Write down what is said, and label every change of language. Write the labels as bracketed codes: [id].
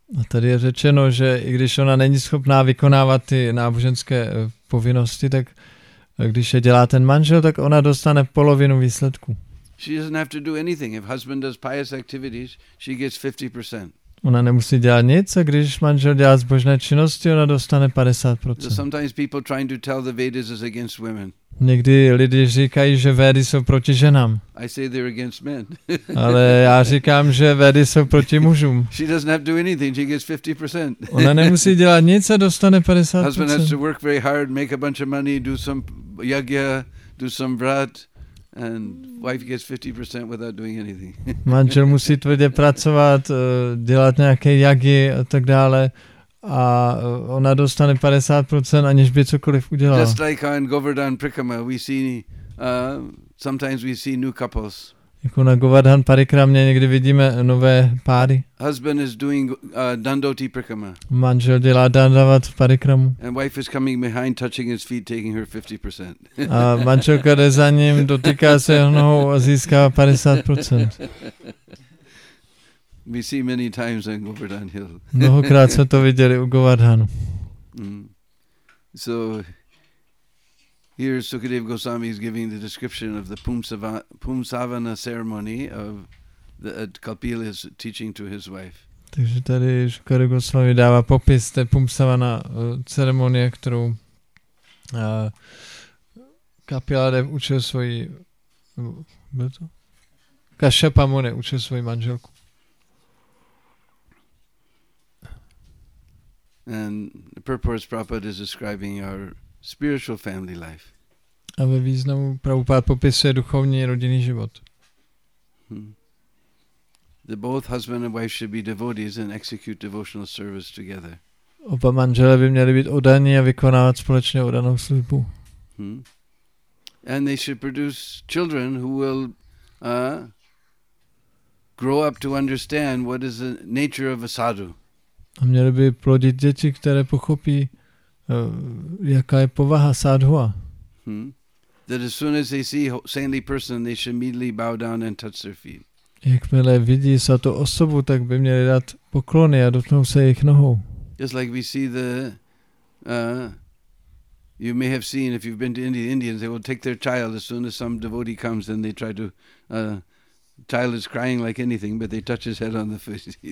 [cs] A tady je řečeno, že i když ona není schopná vykonávat ty náboženské povinnosti, tak když je dělá ten manžel, tak ona dostane polovinu výsledku. [en] She doesn't have to do anything. If husband does pious activities, she gets 50%. [cs] Ona nemusí dělat nic, a když manžel dělá zbožné činnosti, ona dostane 50%. [en] So sometimes people trying to tell the Vedas is against women. [cs] Někdy lidi říkají, že Védy jsou proti ženám. [en] I say they're against men. [cs] Ale já říkám, že Védy jsou proti mužům. [en] She doesn't have to do anything. She gets 50%. [cs] Ona nemusí dělat nic, a dostane 50%. [en] Husband has to work very hard, make a bunch of money, do some yagya, do some vrat. And wife gets 50% without doing anything. [cs] Manžel musí tvrdě pracovat, dělat nějaké jagy a tak dále, a ona dostane 50%, aniž by cokoliv udělala. [en] Just like on Govardhan Parikrama, we see sometimes we see new couples. [cs] Jako na Govardhan Parikramě někdy vidíme nové páry. [en] Husband is doing Dandoti Parikrama. [cs] Manžel dělá Dandavat Parikramu. [en] And wife is coming behind, touching his feet, taking her 50%. [cs] A manželka jde za ním, dotýká se nohou a získává 50%. [en] We see many times on Govardhan Hill. [cs] Mnohokrát jsme to viděli u Govardhanu. [en] So here Sukadeva Goswami is giving the description of the Pumsavana ceremony of the Kapil is teaching to his wife. [cs] Takže tady Sukadeva Goswami dává popis té Pumsavana ceremonie, kterou Kapiladev učil svoji... Byl to? Kašepa Muni učil svoji manželku. [en] And the purport Prabhupada is describing our spiritual family life. [cs] A ve významu Prabhupada popisuje duchovní rodinný život. [en] The both husband and wife should be devotees and execute devotional service together. [cs] Oba manželé by měli být oddaní a vykonávat společně oddanou službu. [en] And they should produce children who will grow up to understand what is the nature of a sadhu. [cs] A měli by plodit děti, které pochopí, jaká je povaha sadhua. [en] That as soon as they see saintly person, they should immediately bow down and touch their feet. [cs] Jakmile vidí svatou osobu, tak by měli dát poklony a dotknout se jejich nohou. [en] Just like we see the, you may have seen if you've been to India, Indians, they will take their child as soon as some devotee comes and they try to, child is crying like anything, but they touch his head on the face.